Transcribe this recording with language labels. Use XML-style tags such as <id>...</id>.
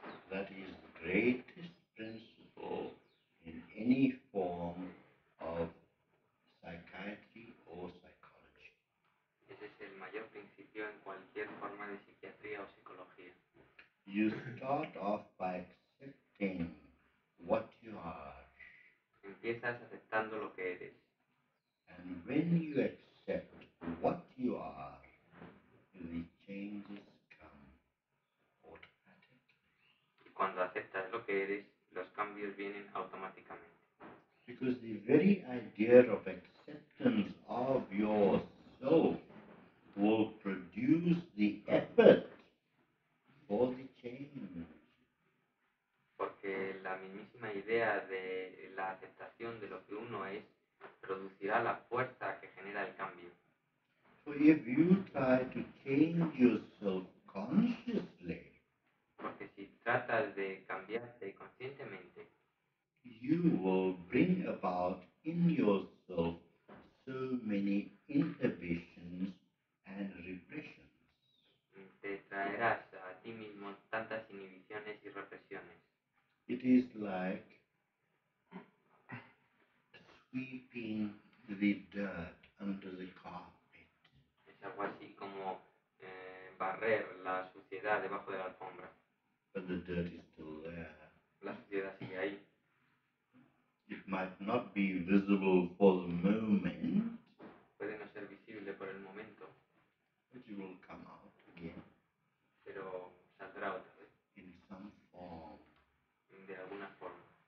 <en>That is the greatest principle in any form of psychiatry or psychology.</en> <es>Ese es el mayor principio en cualquier forma de psiquiatría o psicología.</es> <en>You start off by accepting what you are.</en> <es>Empiezas aceptando lo que eres.</es> <en>And when you accept what you are, the changes come automatically.</en> <es>Y cuando aceptas lo que eres, los cambios vienen automáticamente.</es> <en>Because the very idea of acceptance of yourself will produce the effort for the change.</en> <es>Porque la mismísima idea de la aceptación de lo que uno es producirá la fuerza que genera el cambio.</es> <en>So if you try to change yourself consciously,</en> <es>porque si tratas de cambiarte conscientemente,</es> <en>you will bring about in yourself so many inhibitions and repressions.</en> <es>Te traerás a ti mismo tantas inhibiciones y represiones.</es> <en>It is like sweeping the dirt under the carpet.</en> <es>Es algo así como barrer la suciedad debajo de la alfombra.</es> <en>But the dirt is still there.</en> <es>La suciedad sigue ahí.</es> <en>It might not be visible for the moment.</en> <es>Puede no ser visible por el momento.</es> <en>But it will come out again.</en> <es>Pero saldrá otra vez.</es> <en>In some form.</en> <es>De alguna forma.</es>